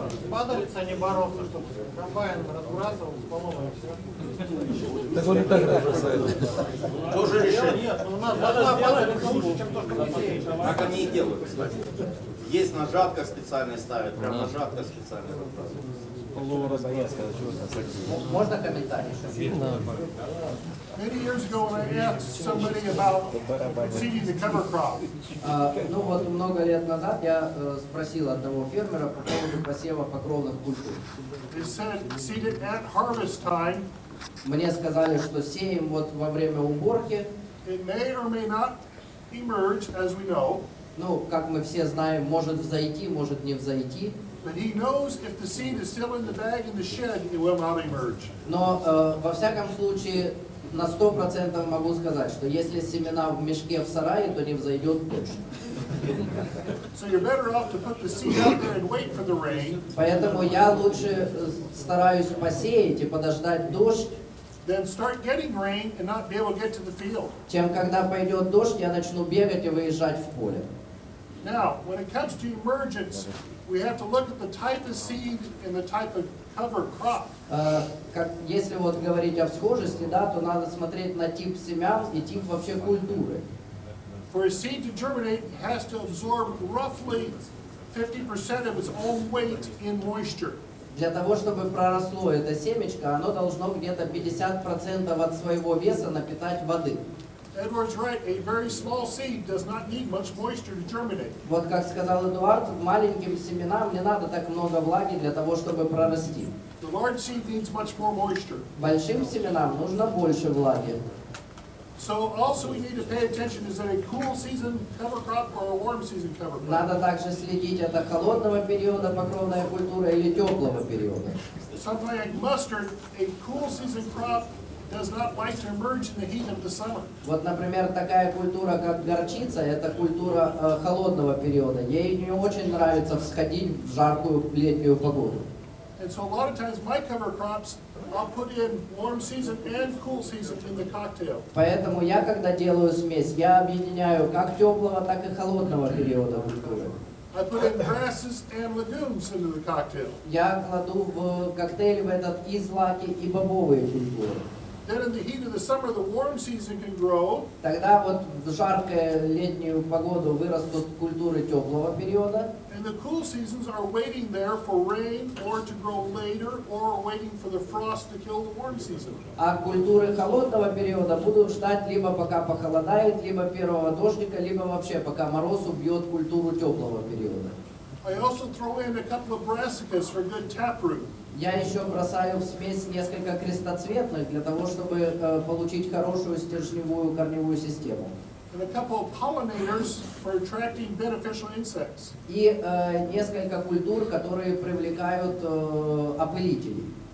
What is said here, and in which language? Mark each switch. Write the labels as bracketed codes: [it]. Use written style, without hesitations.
[ru] Падалица не бороться, чтобы комбайн разбрасывал, споловывал все. Так он и так разбрасывает. Тоже решение. Нет, у нас должна падалица лучше, чем то, что мы сеем. Так они и делают, кстати. Есть на жатках специальные ставят, прям на жатках специальные разбрасывают. Можно комментарий? [en] Many years ago when I asked somebody about seeding the cover crop. [ru] Ну вот много лет назад я спросил одного фермера по поводу посева покровных культур. [en] They said seed it at harvest time. [ru] Мне сказали, что сеем вот во время уборки. [en] It may or may not emerge, as we know. [ru] Ну, как мы все знаем, может взойти, может не взойти. [en] But he knows if the seed is still in the bag in the shed, it will not emerge. [ru] Но во всяком случае на 100% могу сказать, что если семена в мешке в сарае, то не взойдет точно. [en] So you're better off to put the seed out there and wait for the rain. [ru] Поэтому я лучше стараюсь посеять и подождать дождь. [en] Then start getting rain and not be able to get to the field. [ru] Чем когда пойдет дождь, я начну бегать и выезжать в поле. [en] Now, when it comes to emergence. We have to look at the type of seed and the type of cover crop. [ru] Как если вот говорить о всхожести, да, то надо смотреть на тип семян и тип вообще культуры. [en] For a seed to germinate, it has to absorb roughly 50% of its own weight in moisture. [ru] Для того, чтобы проросло это семечко, оно должно где-то 50% от своего веса напитать воды. [en] Edward's right. A very small seed does not need much moisture to germinate. [ru] Вот как сказал Эдуард, маленьким семенам не надо так много влаги для того, чтобы прорасти. [en] The large seed needs much more moisture. [ru] Большим семенам нужно больше влаги. [en] So also we need to pay attention: is that a cool season cover crop or a warm season cover crop? [ru] Надо также следить, это холодного периода покровная культура или теплого периода. [en] Something like mustard, a cool season crop. Does not like to emerge in the heat of the summer. [ru] Вот, например, такая культура, как горчица, это культура холодного периода. Ей не очень нравится всходить в жаркую летнюю погоду. [en] And so a lot of times my cover crops, I'll put in warm season and cool season in the cocktail. [ru] Поэтому я, когда делаю смесь, я объединяю как теплого, так и холодного периода культуры. [en] I put in grasses and legumes into the cocktail. [ru] Я кладу в коктейль в этот и злаки, и бобовые культуры. [en] Then in the heat of the summer, the warm season can grow. [ru] Тогда вот в жаркую летнюю погоду вырастут культуры теплого периода. [en] And the cool seasons are waiting there for rain or to grow later or waiting for the frost to kill the warm season. [ru] А культуры холодного периода будут ждать либо пока похолодает, либо первого дождика, либо вообще пока мороз убьет культуру теплого периода. [en] I also throw in a couple of brassicas for good taproot. [ru] Я еще бросаю в смесь несколько крестоцветных для того, чтобы получить хорошую стержневую корневую систему. [en] And a couple of pollinators for attracting beneficial insects. [ru] И несколько культур, которые привлекают опылителей.